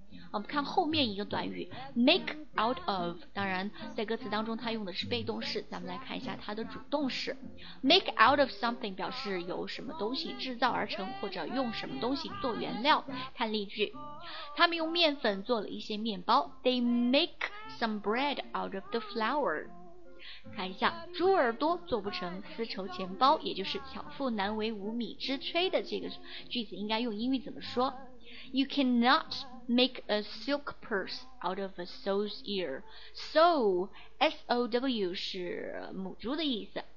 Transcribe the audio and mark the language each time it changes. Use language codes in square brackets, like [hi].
[zh] 我们看后面一个短语 make out of， 当然在歌词当中它用的是被动式，咱们来看一下它的主动式。 [en] make out of something [zh] 表示由什么东西制造而成，或者用什么东西做原料。看例句，他们用面粉做了一些面包。 [en] They make some bread out of the flour。 [zh] 看一下，猪耳朵做不成丝绸钱包，也就是巧妇难为无米之炊的这个句子应该用英语怎么说。 [en] You cannot make a silk purse out of a sow's ear。 [zh] Sow S-O-W 是母猪的意思。